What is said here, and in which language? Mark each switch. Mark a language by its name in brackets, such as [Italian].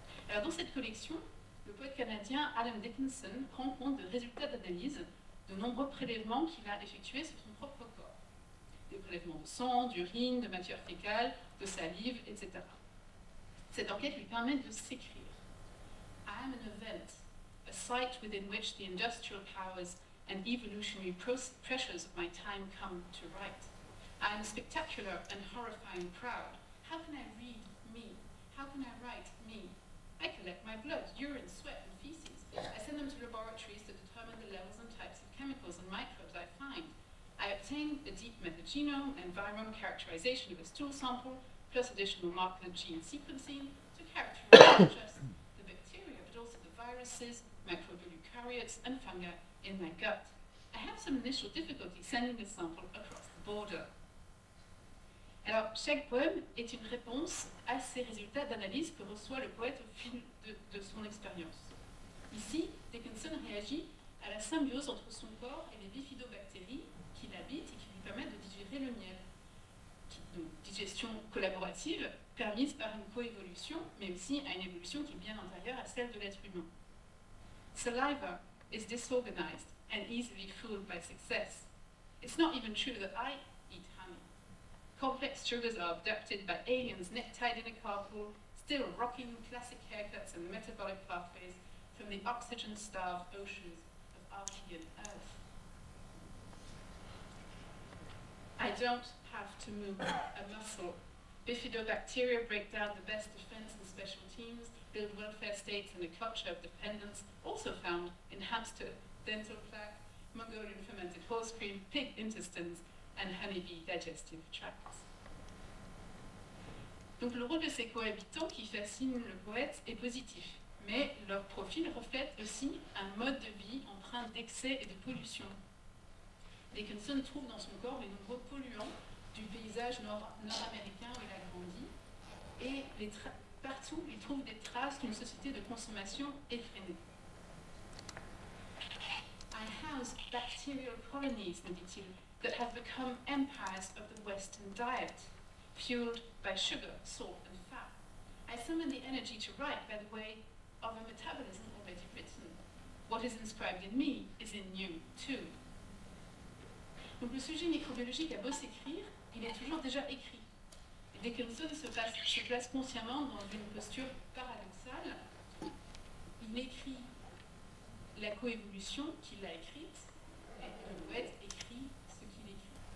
[French] Alors dans cette collection, le poète canadien Adam Dickinson prend compte de résultats d'analyse de nombreux prélèvements qu'il a effectués sur son propre corps. Des prélèvements de sang, d'urine, de matière fécale, de salive, etc. Cette enquête lui permet de s'écrire. [English] I am an event, a site within which the industrial powers and evolutionary pressures of my time come to write. I am a spectacular and horrifying crowd. How can I read me? How can I write me? I collect my blood, urine, sweat, and feces. I send them to laboratories to determine the levels and types of chemicals and microbes I find. I obtain a deep metagenome and virome characterization of a stool sample, plus additional marker gene sequencing to characterize not just the bacteria, but also the viruses, microbial eukaryotes, and fungi in my gut. I have some initial difficulty sending a sample across the border. [French] Alors, chaque poème est une réponse à ces résultats d'analyse que reçoit le poète au fil de son expérience. Ici, Dickinson réagit à la symbiose entre son corps et les bifidobactéries qui l'habitent et qui lui permettent de digérer le miel. Donc, digestion collaborative permise par une coévolution, mais aussi à une évolution qui est bien antérieure à celle de l'être humain. [English] Saliva is disorganized and easily fooled by success. It's not even true that I eat honey. complex thrillers are abducted by aliens necktied in a carpool, still rocking classic haircuts and metabolic pathways from the oxygen-starved oceans of Archean Earth. I don't have to move a muscle. Bifidobacteria break down the best defense and special teams, build welfare states and a culture of dependence, also found in hamster, dental plaque, Mongolian fermented horse cream, pig intestines, and honeybee digestive tracts. [French] Donc le rôle de ces cohabitants qui fascinent le poète est positif, mais leur profil reflète aussi un mode de vie empreint d'excès et de pollution. Dickinson trouve dans son corps les nombreux polluants du paysage nord-américain où il a grandi, et partout il trouve des traces d'une société de consommation effrénée. [English] I house bacterial colonies, [French] me dit-il, [English] that have become empires of the Western diet, fueled by sugar, salt, and fat. I summon the energy to write by the way of a metabolism already written. What is inscribed in me is in you, too. [French] Donc le sujet microbiologique a beau s'écrire, il est toujours déjà écrit. Dickinson se place consciemment dans une posture paradoxale. Il écrit la coévolution qu'il a écrite, et le poète écrit ce qu'il écrit.